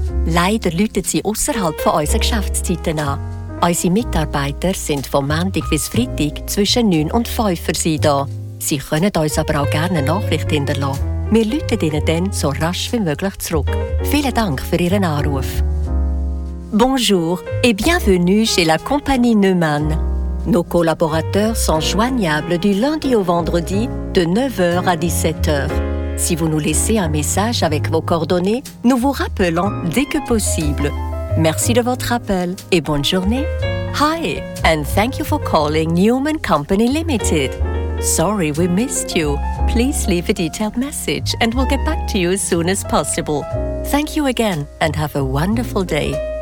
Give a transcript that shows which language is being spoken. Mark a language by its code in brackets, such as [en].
[de] Leider läutet sie außerhalb von unseren Geschäftszeiten an. Unsere Mitarbeiter sind von Montag bis Freitag zwischen 9 und 5 für Sie da. Sie können uns aber auch gerne eine Nachricht hinterlassen. Wir rufen Ihnen dann so rasch wie möglich zurück. Vielen Dank für Ihren Anruf. [fr] Bonjour et bienvenue chez la compagnie Neumann. Nos collaborateurs sont joignables du lundi au vendredi de 9h à 17h. Si vous nous laissez un message avec vos coordonnées, nous vous rappelons dès que possible. Merci de votre appel et bonne journée. [en] Hi and thank you for calling Neumann Company Limited. Sorry we missed you. Please leave a detailed message and we'll get back to you as soon as possible. Thank you again and have a wonderful day.